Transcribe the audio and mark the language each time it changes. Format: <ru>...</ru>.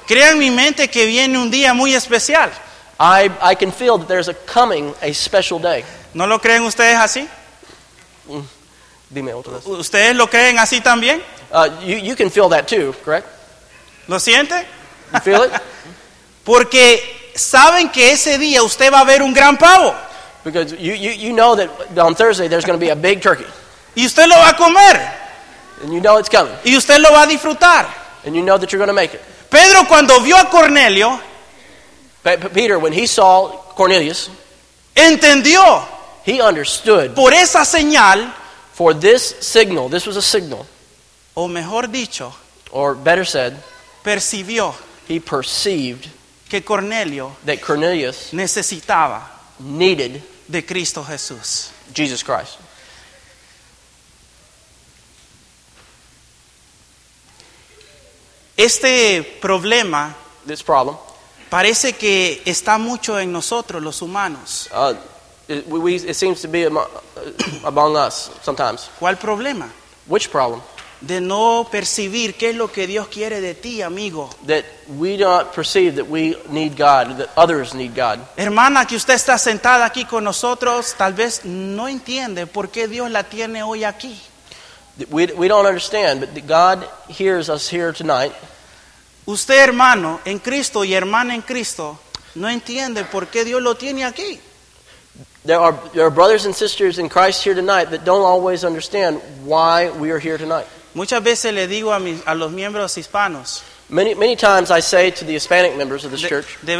<es>Crea en mi mente que viene un día muy especial.</es> <en>I can feel that there's a coming, a special day.</en> <es>¿No lo creen ustedes así? Dime otra vez. ¿Ustedes lo creen así también?</es> <en>You can feel that too, correct?</en> <es>¿Lo siente?</es> <en>You feel it?</en> <es>Porque saben que ese día usted va a ver un gran pavo.</es> <en>Because you know that on Thursday there's going to be a big turkey.</en> <es>Y usted lo va a comer.</es> <en>And you know it's coming.</en> <es>Y usted lo va a disfrutar.</es> <en>And you know that you're going to make it.</en> <es>Pedro, cuando vio a Cornelio,</es> <en>Peter, when he saw Cornelius,</en> <es>entendió.</es> <en>He understood.</en> <es>Por esa señal,</es> <en>for this signal, this was a signal.</en> <es>O mejor dicho,</es> <en>or better said,</en> <es>percibió.</es> <en>He perceived</en> <es>que Cornelio,</es> <en>that Cornelius</en> <es>necesitaba,</es> <en>needed</en> <es>de Cristo Jesús,</es> <en>Jesus Christ.</en> <es>Este problema,</es> <en>this problem,</en> <es>parece que está mucho en nosotros, los humanos.</es> <en>It seems to be among us sometimes.</en> <es>¿Cuál problema?</es> <en>Which problem?</en> <es>De no percibir qué es lo que Dios quiere de ti, amigo.</es> <en>That we don't perceive that we need God, that others need God.</en> <es>Hermana, que usted está sentada aquí con nosotros, tal vez no entiende por qué Dios la tiene hoy aquí.</es> <en>We don't understand, but God hears us here tonight.</en> <es>Usted, hermano, en Cristo y hermana en Cristo, no entiende por qué Dios lo tiene aquí.</es> <en>There are brothers and sisters in Christ here tonight that don't always understand why we are here tonight.</en> <es>Muchas veces le digo a los miembros hispanos,</es> <en>many times I say to the Hispanic members of this church,</en>